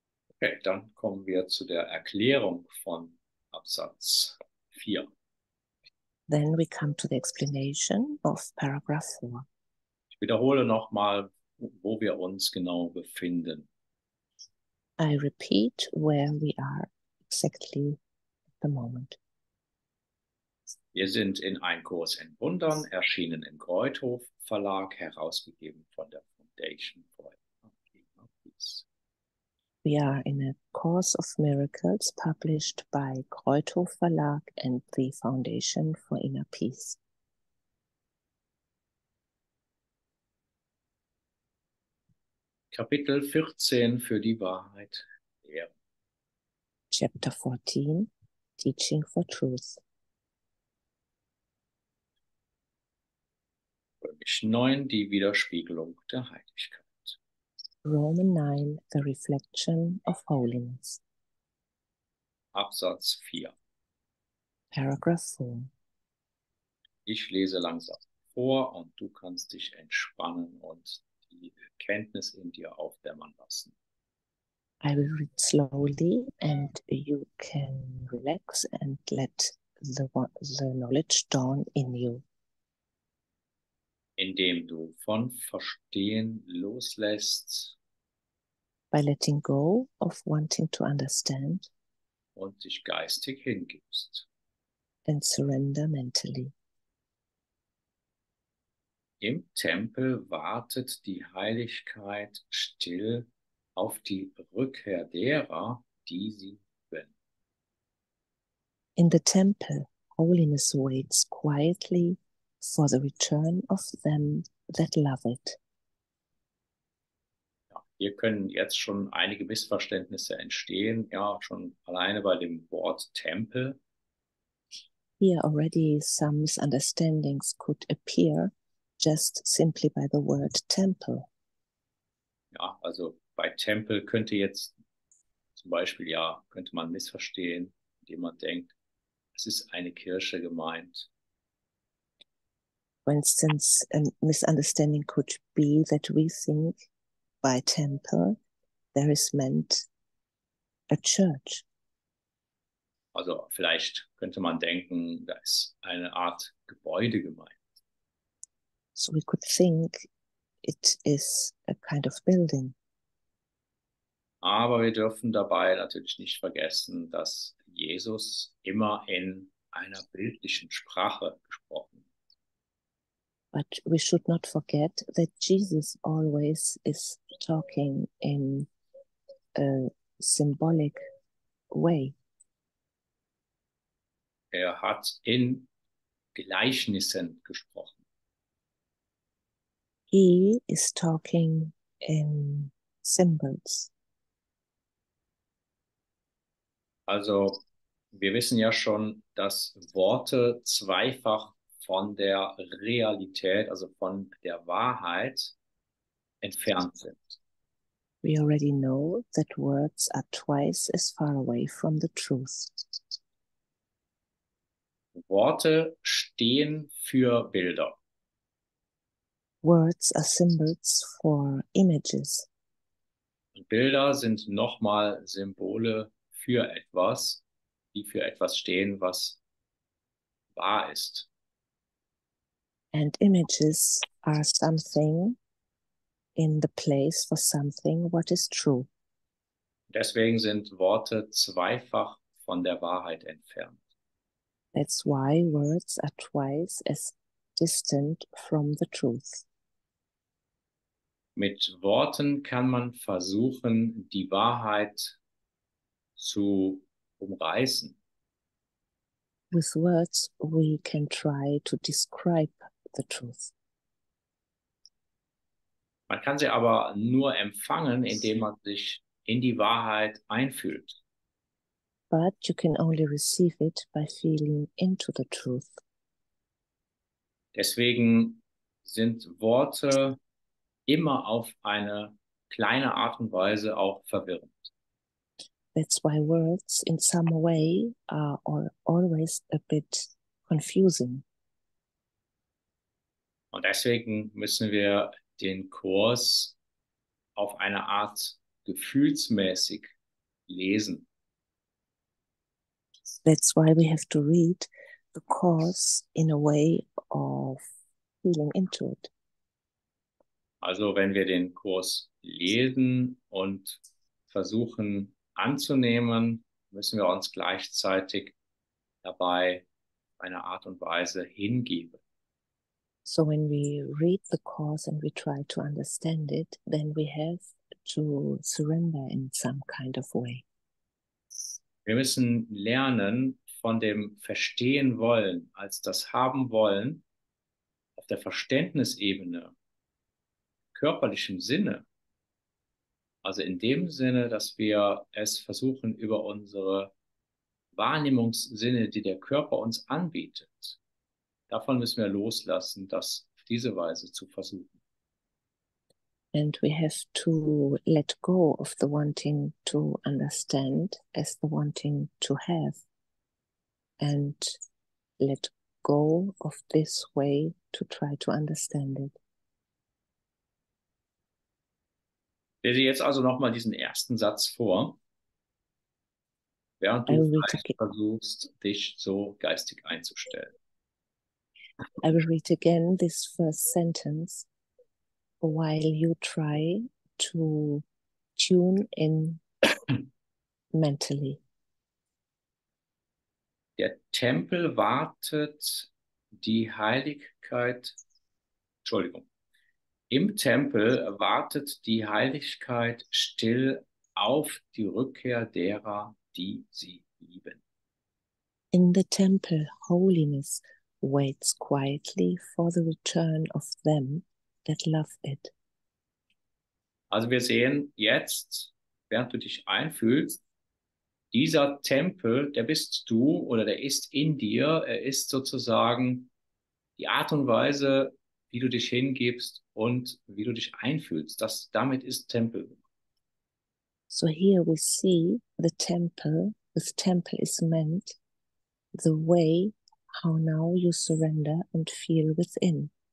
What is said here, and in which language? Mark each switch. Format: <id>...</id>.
<de>Okay, dann kommen wir zu der Erklärung von Absatz 4.</de> <en>Then we come to the explanation of paragraph 4.</en> <de>Ich wiederhole nochmal, wo wir uns genau befinden.</de> <en>I repeat where we are exactly at the moment.</en> <de>Wir sind in Ein Kurs in Wundern, erschienen im Greuthofverlag, herausgegeben von der Foundation for Peace.</de> <en>We are in A Course of Miracles, published by Greuthofverlag and the Foundation for Inner Peace.</en> <de>Kapitel 14 für die Wahrheit. Yeah.</de> <en>Chapter 14, Teaching for Truth.</en> <de>Römisch 9, die Widerspiegelung der Heiligkeit.</de> <en>Roman 9, the reflection of holiness.</en> <de>Absatz 4.</de> <en>Paragraph 4.</en> <de>Ich lese langsam vor und du kannst dich entspannen und die Erkenntnis in dir aufdämmern lassen.</de> <en>I will read slowly and you can relax and let the knowledge dawn in you.</en> <de>Indem du von Verstehen loslässt.</de> <en>By letting go of wanting to understand.</en> <de>Und sich geistig hingibst.</de> <en>And surrender mentally.</en> <de>Im Tempel wartet die Heiligkeit still auf die Rückkehr derer, die sie lieben.</de> <en>In the temple, holiness waits quietly for the return of them that love it.</en> <de>Hier können jetzt schon einige Missverständnisse entstehen, ja, schon alleine bei dem Wort Tempel.</de> <en>Here already some misunderstandings could appear just simply by the word temple.</en> <de>Ja, also bei Tempel könnte jetzt zum Beispiel, ja, könnte man missverstehen, indem man denkt, es ist eine Kirche gemeint.</de> <en>For instance, a misunderstanding could be that we think by temple, there is meant a church.</en> <de>Also vielleicht könnte man denken, da ist eine Art Gebäude gemeint.</de> <en>So we could think it is a kind of building.</en> <de>Aber wir dürfen dabei natürlich nicht vergessen, dass Jesus immer in einer bildlichen Sprache gesprochen.</de> <en>But we should not forget that Jesus always is talking in a symbolic way.</en> <de>Er hat in Gleichnissen gesprochen.</de> <en>He is talking in symbols.</en> <de>Also, wir wissen ja schon, dass Worte zweifach von der Realität, also von der Wahrheit, entfernt sind.</de> <en>We already know that words are twice as far away from the truth.</en> <de>Worte stehen für Bilder.</de> <en>Words are symbols for images.</en> <de>Und Bilder sind nochmal Symbole für etwas, die für etwas stehen, was wahr ist.</de> <en>And images are something in the place for something what is true.</en> <de>Deswegen sind Worte zweifach von der Wahrheit entfernt.</de> <en>That's why words are twice as distant from the truth.</en> <de>Mit Worten kann man versuchen, die Wahrheit zu umreißen.</de> <en>With words we can try to describe the truth.</en> <de>Man kann sie aber nur empfangen, indem man sich in die Wahrheit einfühlt.</de> <en>But you can only receive it by feeling into the truth.</en> <de>Deswegen sind Worte immer auf eine kleine Art und Weise auch verwirrend.</de> <en>That's why words in some way are always a bit confusing.</en> <de>Und deswegen müssen wir den Kurs auf eine Art gefühlsmäßig lesen.</de> <en>That's why we have to read the course in a way of feeling into it.</en> <de>Also wenn wir den Kurs lesen und versuchen anzunehmen, müssen wir uns gleichzeitig dabei eine Art und Weise hingeben.</de> <en>So when we read the course and we try to understand it, then we have to surrender in some kind of way.</en> <de>Wir müssen lernen, von dem Verstehen wollen als das Haben wollen auf der Verständnisebene, körperlichem Sinne, also in dem Sinne, dass wir es versuchen, über unsere Wahrnehmungssinne, die der Körper uns anbietet, davon müssen wir loslassen, das auf diese Weise zu versuchen.</de> <en>And we have to let go of the wanting to understand as the wanting to have. And let go of this way to try to understand it.</en> <de>Lese jetzt also nochmal diesen ersten Satz vor, während du versuchst, dich so geistig einzustellen.</de> <en>I will read again this first sentence. While you try to tune in mentally.</en> <de>Der Tempel wartet die Heiligkeit. Entschuldigung. Im Tempel wartet die Heiligkeit still auf die Rückkehr derer, die sie lieben.</de> <en>In the temple, holiness waits quietly for the return of them. That love it.</en> <de>Also wir sehen jetzt, während du dich einfühlst, dieser Tempel, der bist du oder der ist in dir, er ist sozusagen die Art und Weise, wie du dich hingibst und wie du dich einfühlst. Das, damit ist Tempel.</de> <en>So here we see the temple, this temple is meant the way how now you surrender and feel within.</en>